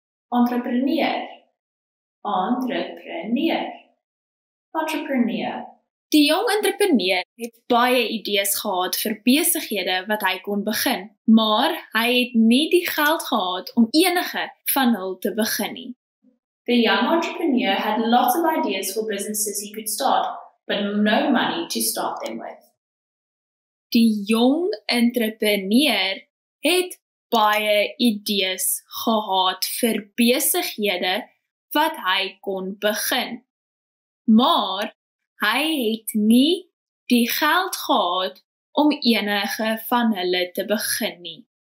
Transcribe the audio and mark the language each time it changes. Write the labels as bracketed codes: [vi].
[af] Entrepreneur. Entrepreneur. Entrepreneur. Die jong entrepreneur het baie idees gehad vir besighede wat hy kon begin, maar hy het nie die geld gehad om enige van hul te begin nie. [en] The young entrepreneur had lots of ideas for businesses he could start, but no money to start them with. [af] Die jong entrepreneur het baie idees gehad vir besighede wat hy kon begin, maar hy het nie die geld gehad om enige van hulle te begin nie.